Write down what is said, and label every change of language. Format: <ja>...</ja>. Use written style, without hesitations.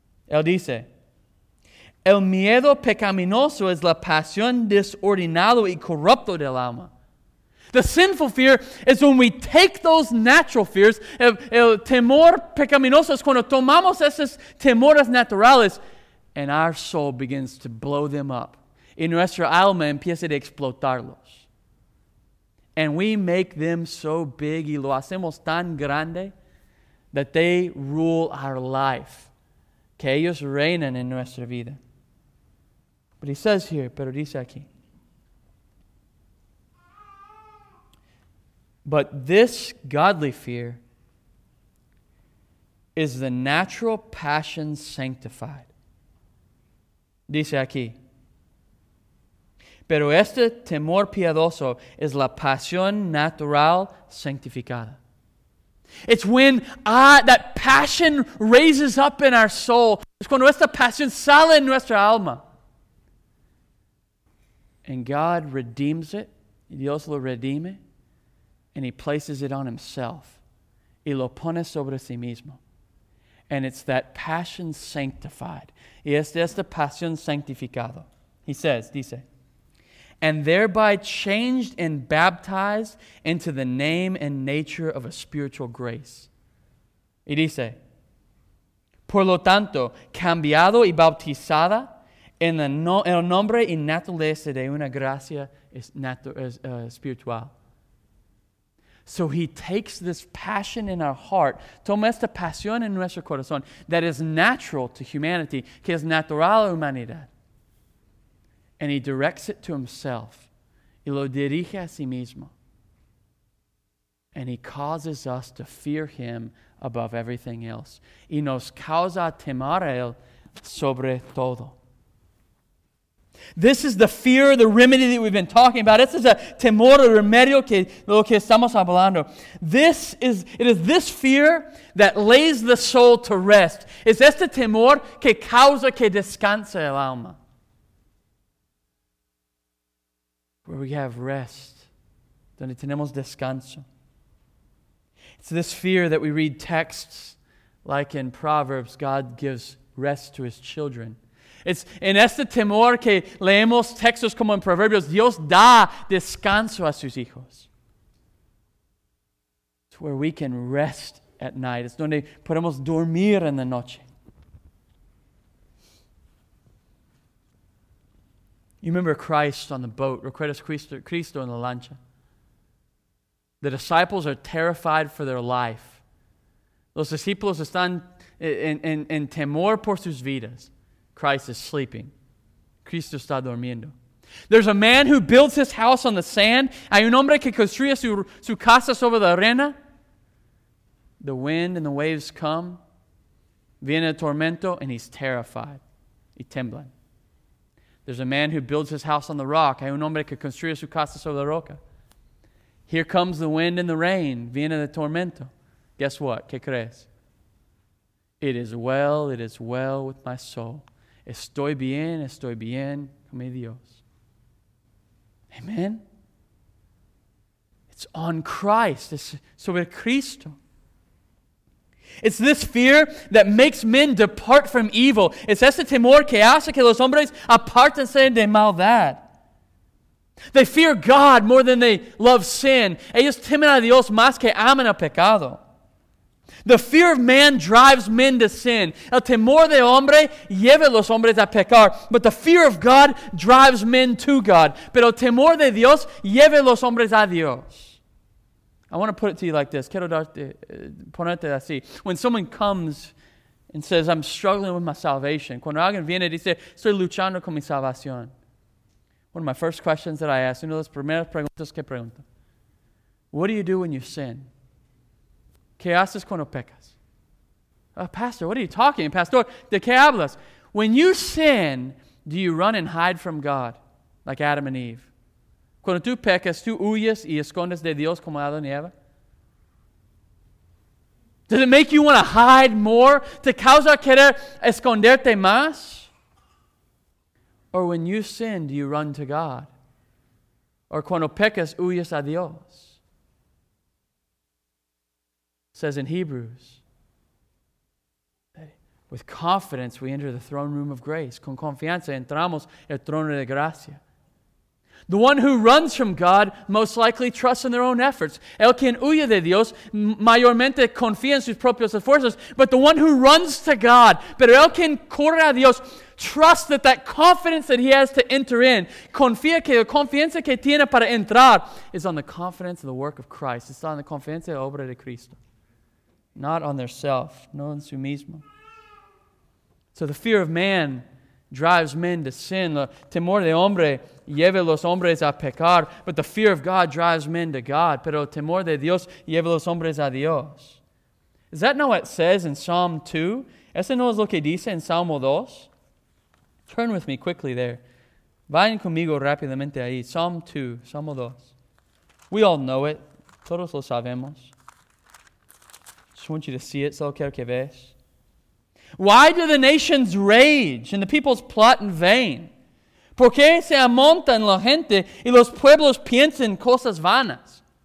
<es>Él dice, el miedo pecaminoso es la pasión desordenado y corrupto del alma.</es> <en>The sinful fear is when we take those natural fears.</en> <es>El temor pecaminoso es cuando tomamos esos temores naturales</es> <en>and our soul begins to blow them up.</en> <es>Y nuestra alma empieza a explotarlos.</es> <en>And we make them so big</en> <es>y lo hacemos tan grande</es> <en>that they rule our life.</en> <es>Que ellos reinan en nuestra vida.</es> <en>But he says here,</en> <es>pero dice aquí.</es> <en>But this godly fear is the natural passion sanctified.</en> <es>Dice aquí. Pero este temor piadoso es la pasión natural sanctificada.</es> <en>It's when that passion raises up in our soul.</en> <es>Es cuando esta pasión sale en nuestra alma.</es> <en>And God redeems it.</en> <es>Dios lo redime.</es> <en>And he places it on himself.</en> <es>Y lo pone sobre sí mismo.</es> <en>And it's that passion sanctified.</en> <es>Y es esta pasión sanctificada.</es> <en>He says,</en> <es>dice,</es> <en>and thereby changed and baptized into the name and nature of a spiritual grace.</en> <es>Y dice, por lo tanto, cambiado y bautizada en el nombre y naturaleza de una gracia espiritual.</es> <en>So he takes this passion in our heart,</en> <es>toma esta pasión en nuestro corazón,</es> <en>that is natural to humanity,</en> <es>que es natural a la humanidad.</es> <en>And he directs it to himself.</en> <es>Y lo dirige a sí mismo.</es> <en>And he causes us to fear him above everything else.</en> <es>Y nos causa temor a él sobre todo.</es> <en>This is the fear, the remedy that we've been talking about. This is</en> <es>a temor, a remedio que lo que estamos hablando.</es> <en>It is this fear that lays the soul to rest.</en> <es>Es este temor que causa que descanse el alma.</es> <en>Where we have rest,</en> <es>donde tenemos descanso.</es> <en>It's this fear that we read texts like in Proverbs, God gives rest to his children.</en> <es>It's en este temor que leemos textos como en Proverbios, Dios da descanso a sus hijos.</es> <en>It's where we can rest at night. It's</en> <es>donde podemos dormir en la noche.</es> <en>You remember Christ on the boat,</en> <es>recuerdas Cristo en la lancha.</es> <en>The disciples are terrified for their life.</en> <es>Los discípulos están en temor por sus vidas.</es> <en>Christ is sleeping.</en> <es>Cristo está durmiendo.</es> <en>There's a man who builds his house on the sand.</en> <es>Hay un hombre que construye su casa sobre la arena.</es> <en>The wind and the waves come.</en> <es>Viene el tormento</es> <en>and he's terrified.</en> <es>Y temblan.</es> <en>There's a man who builds his house on the rock.</en> <es>Hay un hombre que construye su casa sobre la roca.</es> <en>Here comes the wind and the rain.</en> <es>Viene el tormento.</es> <en>Guess what?</en> <es>¿Qué crees?</es> <en>It is well with my soul.</en> <es>Estoy bien con mi Dios.</es> <en>Amen? It's on Christ. It's</en> <es>sobre Cristo.</es> <en>It's this fear that makes men depart from evil.</en> <es>It's este temor que hace que los hombres apartense de maldad.</es> <en>They fear God more than they love sin.</en> <es>Ellos temen a Dios más que aman el pecado.</es> <en>The fear of man drives men to sin.</en> <es>El temor de hombre lleva a los hombres a pecar.</es> <en>But the fear of God drives men to God.</en> <es>Pero el temor de Dios lleva a los hombres a Dios.</es> <en>I want to put it to you like this.</en> <es>Quiero darte, ponerte así.</es> <en>When someone comes and says, I'm struggling with my salvation.</en> <es>Cuando alguien viene y dice, estoy luchando con mi salvación.</es> <en>One of my first questions that I ask,</en> <es>una de las primeras preguntas que pregunto.</es> <en>What do you do when you sin?</en> <es>¿Qué haces cuando pecas?</es> <en>Pastor, what are you talking?</en> <es>Pastor, ¿de qué hablas?</es> <en>When you sin, do you run and hide from God like Adam and Eve?</en> <es>Cuando tú pecas, tú huyes y escondes de Dios como Adán y Eva.</es> <en>Does it make you want to hide more? ¿Te causa querer esconderte más? Or when you sin, do you run to God? Or</en> <es>cuando pecas, huyes a Dios?</es> <en>It says in Hebrews, with confidence we enter the throne room of grace.</en> <es>Con confianza entramos el trono de gracia.</es> <en>The one who runs from God most likely trusts in their own efforts.</en> <es>El quien huye de Dios mayormente confía en sus propios esfuerzos.</es> <en>But the one who runs to God,</en> <es>pero el quien corre a Dios,</es> <en>trusts that confidence that he has to enter in,</en> <es>confía que la confianza que tiene para entrar</es> <en>is on the confidence of the work of Christ. It's on the</en> <es>confianza de la obra de Cristo.</es> <en>Not on their self,</en> <es>no en su mismo.</es> <en>So the fear of man drives men to sin.</en> <es>El temor de hombre lleva a los hombres a pecar,</es> <en>but the fear of God drives men to God.</en> <es>Pero el temor de Dios lleva a los hombres a Dios.</es> <en>Is that not what it says in Psalm 2?</en> <es>¿Eso no es lo que dice en Salmo 2?</es> <en>Turn with me quickly there. Vayan conmigo rápidamente ahí. Psalm 2,</en> <es>Salmo 2.</es> <en>We all know it.</en> <es>Todos lo sabemos.</es> <en>Just want you to see it.</en> <es>Solo quiero que veas.</es> <en>Why do the nations rage and the peoples plot in vain?</en> <es>¿Por qué se amontan la gente y los pueblos piensan cosas vanas?</es>